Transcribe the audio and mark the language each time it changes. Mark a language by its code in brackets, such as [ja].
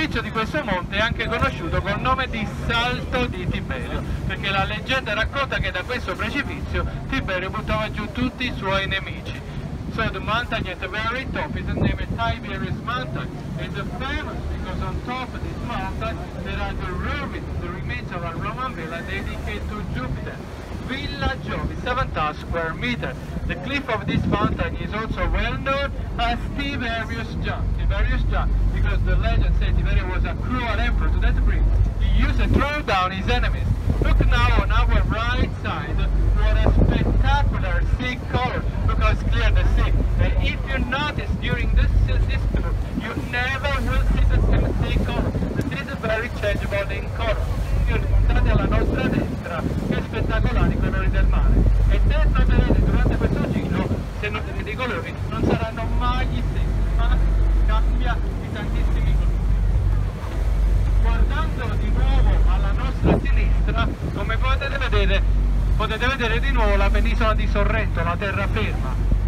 [it] questo monte è anche conosciuto col nome di Salto di Tiberio, perché la leggenda racconta che da questo precipizio Tiberio buttava giù tutti i suoi nemici. [en] So the mountain at the very top is named Tiberius Mountain, and the famous because on top of this mountain there are the ruins, the remains of a Roman villa dedicated to Jupiter. Villa Jovi, 7,000 square meters. The cliff of this mountain is also well known as Tiberius Jump. Tiberius Jump, because the legend said Tiberius was a cruel emperor to that prince. He used to throw down his enemies. Look now on our right side, what a spectacular sea color. Look how it's clear the sea. And if you notice during this tour, you never will see the same sea color. This is very changeable in color. [it] Quindi puntate alla nostra destra, che è spettacolare i colori del mare. E se troverete durante questo giro, se notate dei colori, non saranno mai gli stessi, ma cambia di tantissimi colori. Guardando di nuovo alla nostra sinistra, come potete vedere di nuovo la penisola di Sorrento, la terraferma.